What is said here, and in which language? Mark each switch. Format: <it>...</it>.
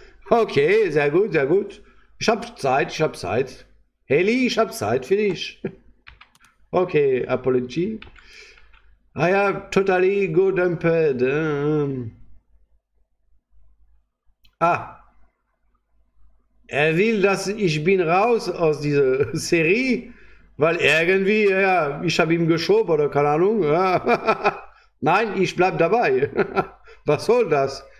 <de>Okay, sehr gut, sehr gut. Ich hab Zeit, ich hab Zeit. Heli, ich hab Zeit für dich.</de> <en>Okay, Apology. I am totally good and bad.</en> <de>Er will, dass ich bin raus aus dieser Serie, weil irgendwie, ja, ich habe ihm geschoben oder keine Ahnung. Ja. Nein, ich bleib dabei. Was soll das?</de>